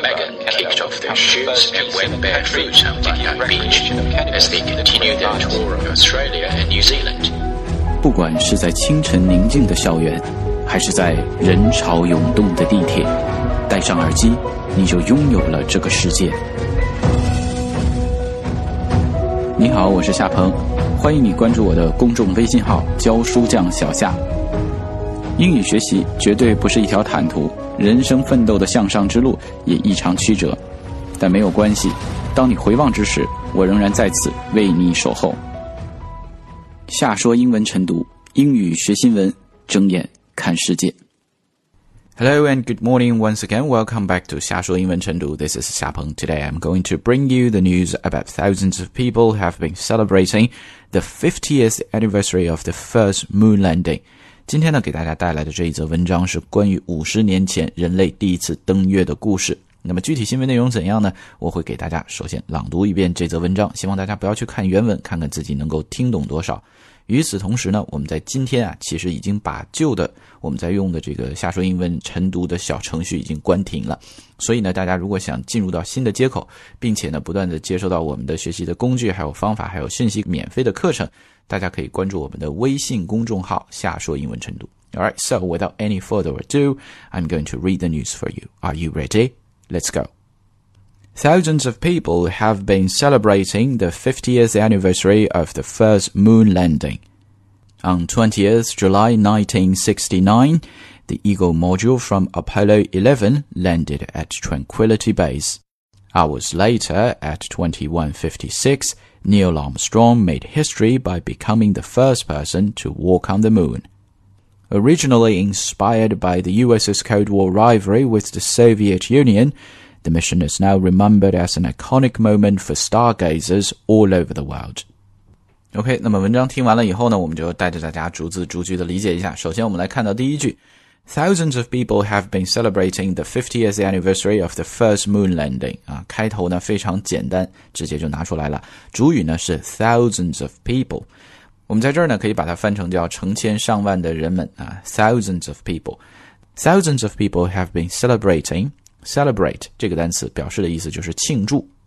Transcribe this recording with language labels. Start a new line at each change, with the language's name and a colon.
English: Megan kicked off their shoes and went barefoot on Bondi Beach as they continued their tour of Australia and New Zealand.
Chinese: 不管是在清晨宁静的校园，还是在人潮涌动的地铁，戴上耳机，你就拥有了这个世界。你好，我是夏鹏，欢迎你关注我的公众微信号教书匠小夏。英语学习绝对不是一条坦途，人生奋斗的向上之路也异常曲折，但没有关系，当你回望之时，我仍然在此为你守候。夏说英文晨读，英语学新闻，睁眼看世界。
English: Hello and good morning once again. Welcome back to 夏说英文晨读.This is 夏鹏. Today I'm going to bring you the news about thousands of people have been celebrating the 50th anniversary of the first moon landing.
Chinese: 今天呢给大家带来的这一则文章是关于50年前人类第一次登月的故事。那么具体新闻内容怎样呢？我会给大家首先朗读一遍这则文章，希望大家不要去看原文，看看自己能够听懂多少。与此同时呢，我们在今天啊，其实已经把旧的我们在用的这个夏说英文晨读的小程序已经关停了。所以呢，大家如果想进入到新的接口，并且呢不断的接收到我们的学习的工具，还有方法，还有信息，免费的课程，大家可以关注我们的微信公众号夏说英文晨读。
English: Alright, so without any further ado, I'm going to read the news for you. Are you ready? Let's go. Thousands of people have been celebrating the 50th anniversary of the first moon landing. On 20th July 1969, the Eagle module from Apollo 11 landed at Tranquility Base. Hours later, at 21:56, Neil Armstrong made history by becoming the first person to walk on the moon. Originally inspired by the US's Cold War rivalry with the Soviet Union,The mission is now remembered as an iconic moment for stargazers all over the world.
Chinese: OK, 那么文章听完了以后呢，我们就带着大家逐字逐句的理解一下。首先我们来看到第一句。
English: Thousands of people have been celebrating the 50th anniversary of the first moon landing.
Chinese: 啊，开头呢非常简单，直接就拿出来了。主语呢是
English: thousands of people.
Chinese: 我们在这儿呢可以把它翻成叫成千上万的人们啊 ,thousands of people.
English: Thousands of people have been celebrating. Celebrate
Chinese: 这个单词表示的意思就是庆祝。